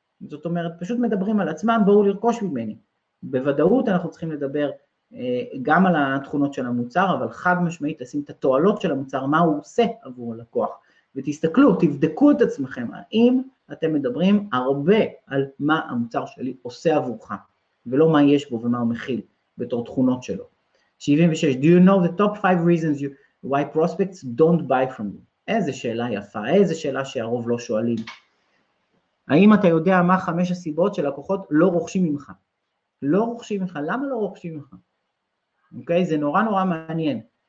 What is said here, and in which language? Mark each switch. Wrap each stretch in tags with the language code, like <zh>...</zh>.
<he>זאת אומרת, פשוט מדברים על עצמם, בואו לרכוש ממני. בוודאות אנחנו צריכים לדבר גם על התכונות של המוצר, אבל חד משמעית לשים את התועלות של המוצר, מה הוא עושה עבור הלקוח. ותסתכלו, תבדקו את עצמכם, האם אתם מדברים הרבה על מה המוצר שלי עושה עבורך, ולא מה יש בו ומה הוא מכיל בתור תכונות שלו.</he> <en>76, do you know the top 5 reasons why prospects don't buy from you?</en> <he>איזה שאלה יפה, איזה שאלה שהרוב לא שואלים. האם אתה יודע מה 5 הסיבות של לקוחות לא רוכשים ממך? לא רוכשים ממך, למה לא רוכשים ממך? אוקיי, זה נורא נורא מעניין.</he>